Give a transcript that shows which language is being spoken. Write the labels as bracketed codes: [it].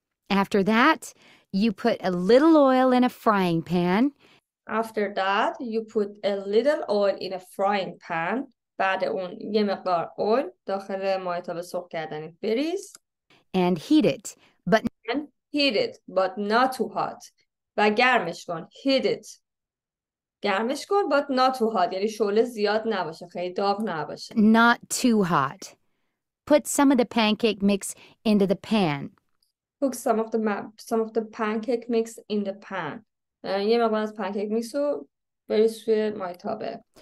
[en] After that, you put a little oil in a frying pan. After that, you put a little oil in a frying pan. [fa] بعد اون یه مقدار اول داخل مایتاب سرخ کردن بریز. [en] And heat it, but... And heat it, but not too hot. [fa] و گرمش کن. [en] Heat it. [fa] گرمش کن, [en] but not too hot. [fa] یعنی شعله زیاد نباشه. خیلی داغ نباشه. [en] Not too hot. Put some of the pancake mix into the pan. Put some of the pancake mix in the pan. [fa] یه مقدار از پنکیک میکس رو بریز توی مایتابه.